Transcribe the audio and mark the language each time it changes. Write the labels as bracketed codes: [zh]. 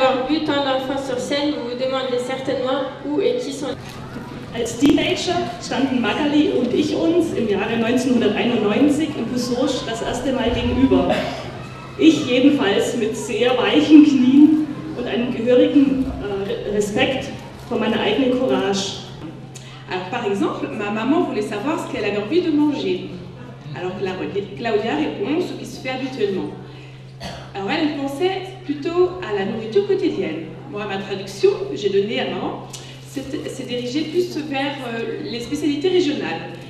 [fr] vu tant d'enfants sur scène, vous vous demandez certainement où et qui sont. [de] Als Teenager standen Magali und ich uns im Jahre 1991 in Pusoche das erste Mal gegenüber. Ich jedenfalls mit sehr weichen Knien und einem gehörigen Respekt vor meiner eigenen Courage. [fr] Alors, par exemple, ma maman voulait savoir ce qu'elle avait envie de manger. Alors Claudia répond ce qui se fait habituellement. Alors elle pensait plutôt à la nourriture quotidienne. Moi, ma traduction que j'ai donnée à maman s'est dirigée plus vers les spécialités régionales.